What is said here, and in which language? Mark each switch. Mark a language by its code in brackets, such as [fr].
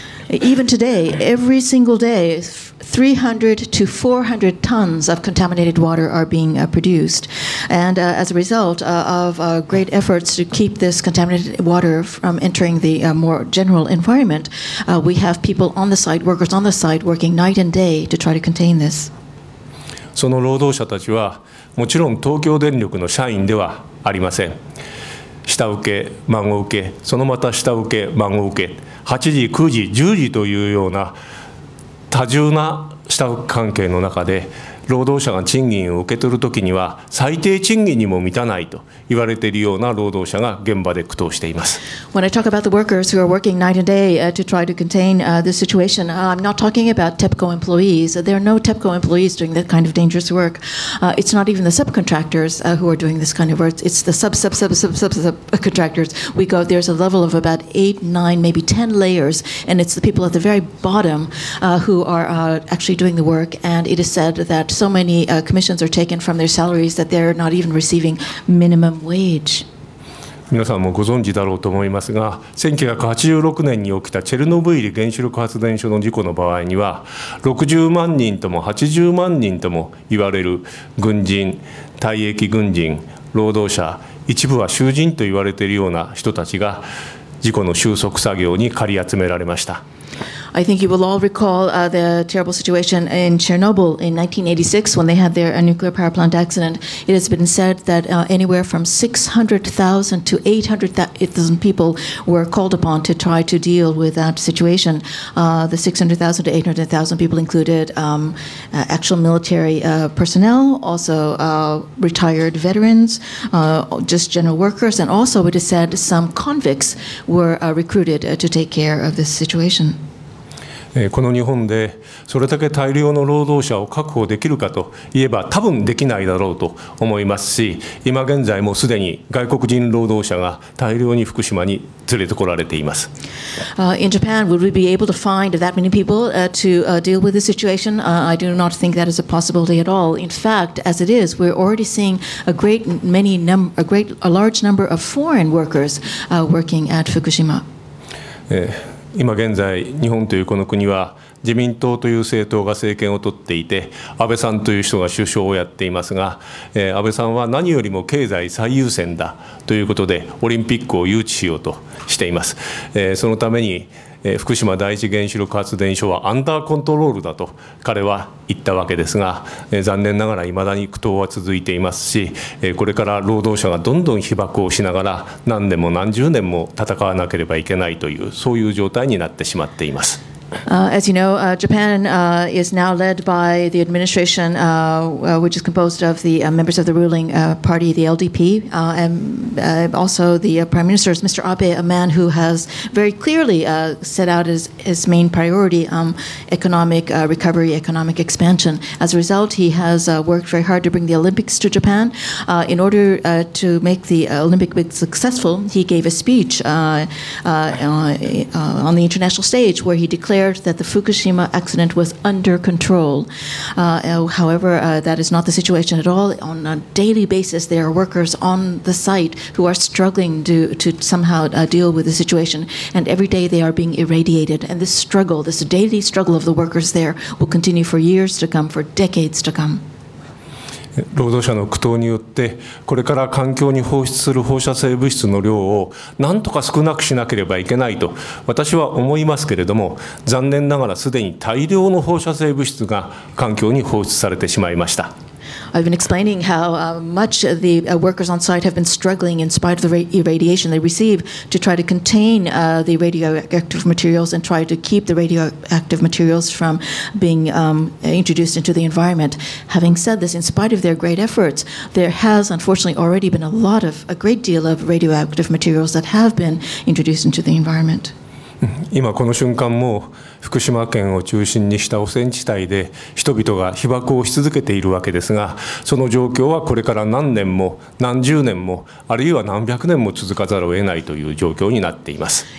[en] Even today, every single day, 300 to 400 tons of contaminated water are being produced. And as a result of great efforts to keep this contaminated water from entering the more general environment, we have people on the site, workers on the site, working night and day to try to contain this. [ja] その労働者たちは、もちろん東京電力の社員ではありません。下請け、孫請け、そのまた下請け、孫請け、8時、9時、10時というような多重な下請け関係の中で、労働者が賃金を受け取るときには最低賃金にも満たないと言われているような労働者が現場で苦闘しています。 [en] When I talk about the workers who are working night and day to try to contain this situation, I'm not talking about TEPCO employees. There are no TEPCO employees doing that kind of dangerous work. It's not even the subcontractors who are doing this kind of work. It's the subcontractors. We go, there's a level of about 8, 9, maybe 10 layers, and it's the people at the very bottom who are actually doing the work, and it is said thatSo many commissions are taken from their salaries that they're not even receiving minimum wage. [ja] 皆さんもご存知だろうと思いますが、1986年に起きたチェルノブイリ原子力発電所の事故の場合には、60万人とも80万人とも言われる軍人、退役軍人、労働者、一部は囚人と言われているような人たちが事故の収束作業に駆り集められました。 [en] I think you will all recall the terrible situation in Chernobyl in 1986 when they had their nuclear power plant accident. It has been said that anywhere from 600,000 to 800,000 people were called upon to try to deal with that situation. The 600,000 to 800,000 people included actual military personnel, also retired veterans, just general workers, and also it is said some convicts were recruited to take care of this situation. [ja] この日本でそれだけ大量の労働者を確保できるかといえば多分できないだろうと思いますし、今現在もすでに外国人労働者が大量に福島に連れてこられています。 [en] In Japan, would we be able to find that many people to deal with the situation? I do not think that is a possibility at all. In fact, as it is, we're already seeing a large number of foreign workers working at Fukushima. [ja] 今現在日本というこの国は自民党という政党が政権を取っていて、安倍さんという人が首相をやっていますが、安倍さんは何よりも経済最優先だということでオリンピックを誘致しようとしています。そのために福島第一原子力発電所はアンダーコントロールだと彼は言ったわけですが、残念ながら未だに苦闘は続いていますし、これから労働者がどんどん被爆をしながら何年も何十年も戦わなければいけないというそういう状態になってしまっています。 [en] As you know, Japan is now led by the administration, which is composed of the members of the ruling party, the LDP, and also the Prime Minister, Mr. Abe, a man who has very clearly set out as his main priority economic recovery, economic expansion. As a result, he has worked very hard to bring the Olympics to Japan. In order to make the Olympic bid successful, he gave a speech on the international stage where he declared that the Fukushima accident was under control. However, that is not the situation at all. On a daily basis, there are workers on the site who are struggling to somehow deal with the situation, and every day they are being irradiated. And this struggle, this daily struggle of the workers there will continue for years to come, for decades to come. [ja] 労働者の苦闘によってこれから環境に放出する放射性物質の量をなんとか少なくしなければいけないと私は思いますけれども、残念ながらすでに大量の放射性物質が環境に放出されてしまいました。 [en] I've been explaining how much the workers on site have been struggling in spite of the irradiation they receive to try to contain the radioactive materials and try to keep the radioactive materials from being introduced into the environment. Having said this, in spite of their great efforts, there has unfortunately already been a great deal of radioactive materials that have been introduced into the environment. [ja] 今この瞬間も福島県を中心にした汚染地帯で人々が被爆をし続けているわけですが、その状況はこれから何年も何十年もあるいは何百年も続かざるを得ないという状況になっています。